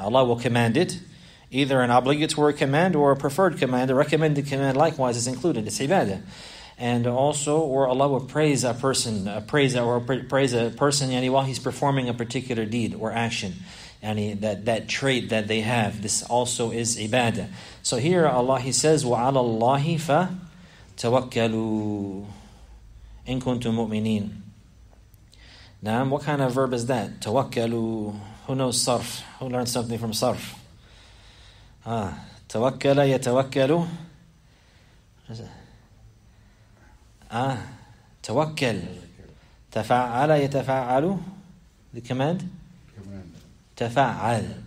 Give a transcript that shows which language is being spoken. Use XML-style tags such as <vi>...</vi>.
<en>Allah will command it, either an obligatory command or a preferred command. A recommended command likewise is included. It's ibadah. And also, or Allah will praise a person yani, while He's performing a particular deed or action. Yani, that trait that they have, this also is ibadah. So here Allah, He says,</en> <ar>وَعَلَى اللَّهِ فَتَوَكَّلُوا إِن كُنْتُمْ مُؤْمِنِينَ.</ar> <en>Naam, what kind of verb is that? تَوَكَّلُوا. Who knows sarf? Who learned something from sarf?</en> <ar>تَوَكَّلَ يَتَوَكَّلُ.</ar> <en>Tawakkal. Tafa'ala yatafa'alu. The command? Tafa'al.</en>